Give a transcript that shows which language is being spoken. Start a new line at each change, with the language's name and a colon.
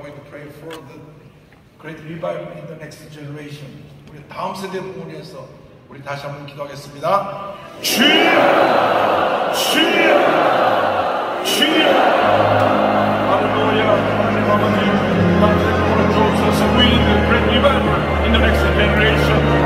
English: pray for the great revival in the next generation.
Korean: 우리 다음 세대 부흥을 위해서 우리 다시 한번 기도하겠습니다. 주여! 주여! 주여! 할렐루야! 하나님 아버지, 다음 세대 부흥을 주옵소서.
English: We need the great revival in the next generation.